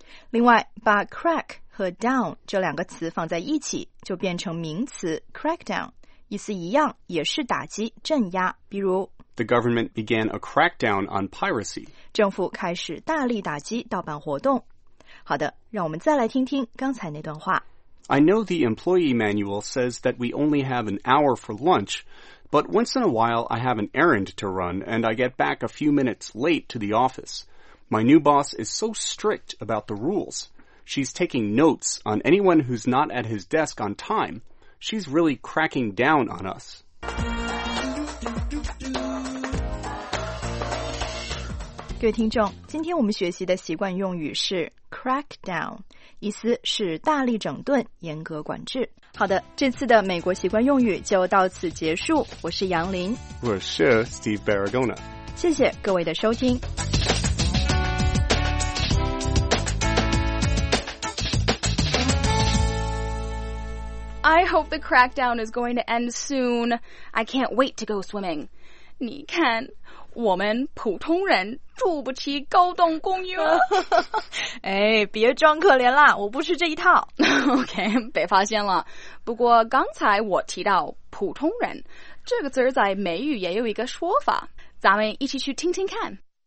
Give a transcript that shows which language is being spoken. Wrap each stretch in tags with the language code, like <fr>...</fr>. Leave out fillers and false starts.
<zh>另外，把 crack 和 down 这两个词放在一起，就变成名词 crack down, 意思一样，也是打击、镇压。比如</zh> <en>,The government began a crackdown on piracy.</en> <zh>政府开始大力打击盗版活动。好的，让我们再来听听刚才那段话。</zh> <en>I know the employee manual says that we only have an hour for lunch,But once in a while, I have an errand to run, and I get back a few minutes late to the office. My new boss is so strict about the rules. She's taking notes on anyone who's not at his desk on time. She's really cracking down on us.</en> <zh>各位听众，今天我们学习的习惯用语是 crack down, 意思是大力整顿，严格管制。好的，这次的美国习惯用语就到此结束。我是杨林，我是 Steve Barragona。谢谢各位的收听。</zh> <en>I hope the crackdown is going to end soon. I can't wait to go swimming.</en> <zh>你看，我们普通人住不起高档公寓。哎，别装可怜啦，我不吃这一套。 OK, 被发现了。不过刚才我提到普通人这个词在美语也有一个说法，咱们一起去听听看。</zh>